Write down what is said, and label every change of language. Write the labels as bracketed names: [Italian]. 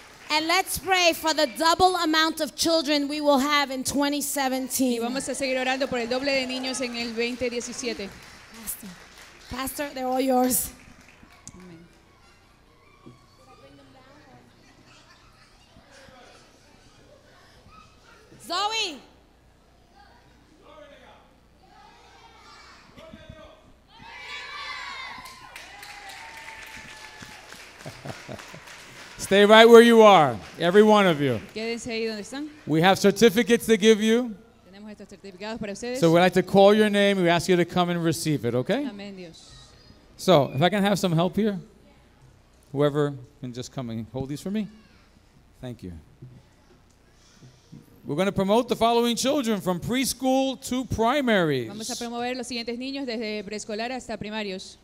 [English] And let's pray for the double amount of children we will have in 2017. [Spanish] Y vamos a seguir orando por el doble de niños en el 2017. [English] Pastor, they're all yours. Amen. Zoe. Stay right where you are, every one of you. [Spanish] Quédense ahí donde están. [English] We have certificates to give you. [Spanish] Tenemos estos certificados para ustedes. [English] So we'd like to call your name. We ask you to come and receive it, okay? [Spanish] Amén, Dios. [English] So if I can have some help here, whoever can just come and hold these for me. Thank you. We're going to promote the following children from preschool to primaries. [Spanish] Vamos a promover los siguientes niños desde preescolar hasta primarios.